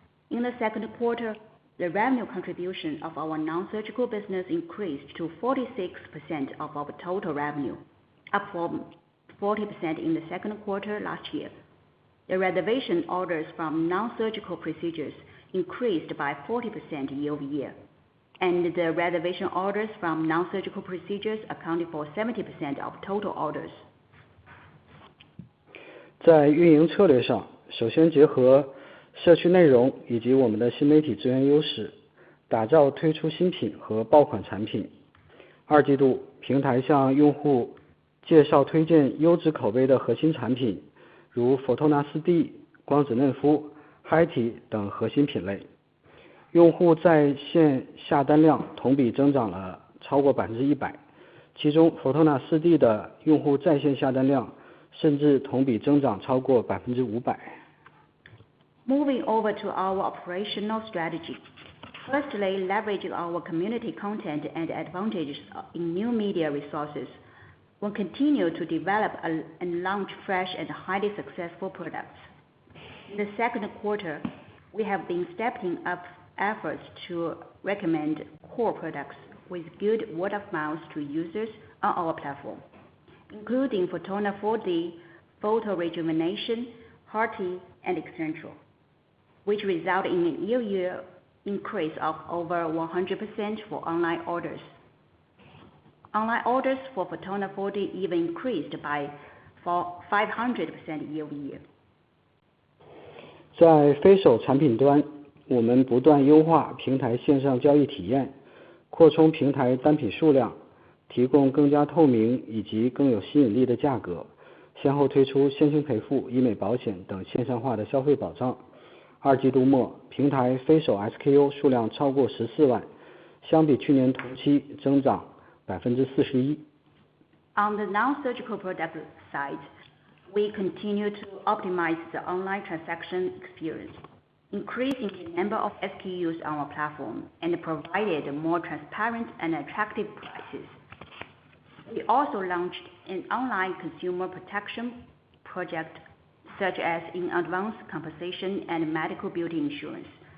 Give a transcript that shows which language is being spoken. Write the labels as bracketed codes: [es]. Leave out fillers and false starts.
[en] In the second quarter, the revenue contribution of our non-surgical business increased to 46% of our total revenue, up from 40% in the second quarter last year. The reservation orders from non-surgical procedures increased by 40% year-over-year, and the reservation orders from non-surgical procedures accounted for 70% of total orders. [zh] 在运营策略上，首先结合社区内容以及我们的新媒体资源优势，打造推出新品和爆款产品。二季度，平台向用户介绍推荐优质口碑的核心产品，如 Photona4D、光子嫩肤、HYTE 等核心品类。用户在线下单量同比增长了超过100%，其中 Photona4D 的用户在线下单量甚至同比增长超过500%。 [en] Moving over to our operational strategy. Firstly, leveraging our community content and advantages in new media resources, we'll continue to develop and launch fresh and highly successful products. In the second quarter, we have been stepping up efforts to recommend core products with good word of mouth to users on our platform, including Photona4D, Photo Rejuvenation, HYTE, and Xtrental, which result in a year-over-year increase of over 100% for online orders. Online orders for Photona4D even increased by 500% year-over-year. [zh] 在非手产品端，我们不断优化平台线上交易体验，扩充平台单品数量，提供更加透明以及更有吸引力的价格。先后推出先行赔付、医美保险等线上化的消费保障。二季度末，平台非手SKU数量超过14万，相比去年同期增长41%。 [en] On the non-surgical product side, we continue to optimize the online transaction experience, increasing the number of SKUs on our platform and provided more transparent and attractive prices. We also launched an online consumer protection project, such as in advanced compensation and medical beauty insurance.